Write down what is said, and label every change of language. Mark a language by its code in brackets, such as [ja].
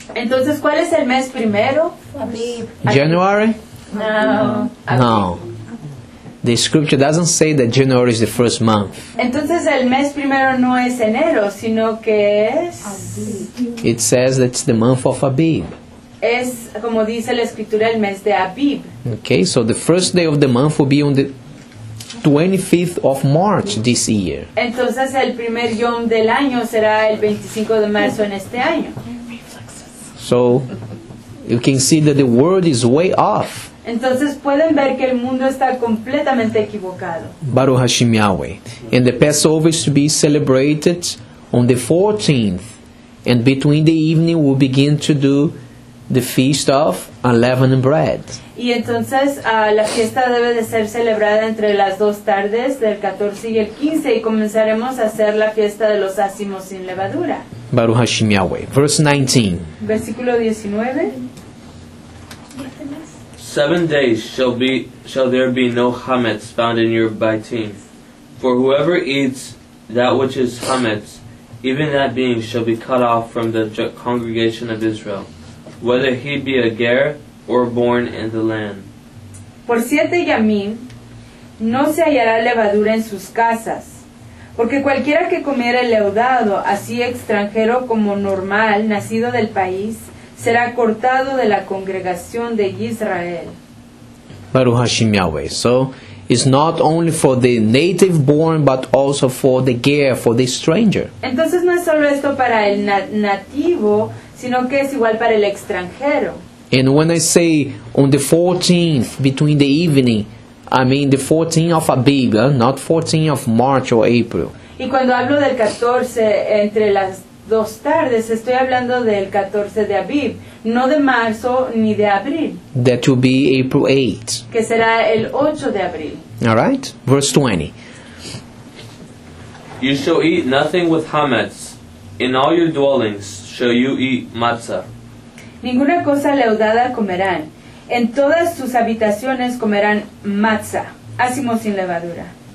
[es] Entonces, ¿cuál es el mes primero? [en] January? No. No. The scripture doesn't say that January is the first month. [es] Entonces el mes primero no es enero, sino que es... [en] It says that it's the month of Abib. [es] Es, como dice la escritura, el mes de Abib. [en] Okay, so the first day of the month will be on the 25th of March this year. [es] Entonces el primer yom del año será el 25 de marzo en este año. [en] So, you can see that the world is way off. [es] Entonces pueden ver que el mundo está completamente equivocado. [he] Baruch Hashem Yahweh. [en] And the Passover is to be celebrated on the 14th. And between the evening we'll begin to do the feast of unleavened bread. [es] Y entonces la fiesta debe de ser celebrada entre las dos tardes del 14 y el 15 y comenzaremos a hacer la fiesta de los ácimos sin levadura. [he] Baruch Hashem Yahweh. [en] Verse 19. [es] Versículo 19. [en] 7 days shall there be no chametz found in your bittim. For whoever eats that which is chametz, even that being shall be cut off from the congregation of Israel, whether he be a ger or born in the land. [es] Por 7 yamim no se hallará levadura en sus casas, porque cualquiera que comiera leudado, así extranjero como normal, nacido del país, será cortado de la congregación de Israel. [he] Baruch Hashem Yahweh. [en] So, it's not only for the native born, but also for the ger, for the stranger. [es] Entonces no es solo esto para el nativo, sino que es igual para el extranjero. [en] And when I say on the 14th, between the evening, I mean the 14th of Abib, not 14th of March or April. [es] Y cuando hablo del 14, entre las dos tardes, estoy hablando del 14 de Abib, no de marzo ni de abril. [en] That will be April 8. [es] Que será el 8 de abril. [en] All right, verse 20. You shall eat nothing with chametz. In all your dwellings shall you eat matzah. [es] Ninguna cosa leudada comerán. En todas sus habitaciones comerán matzah, ácimo sin levadura.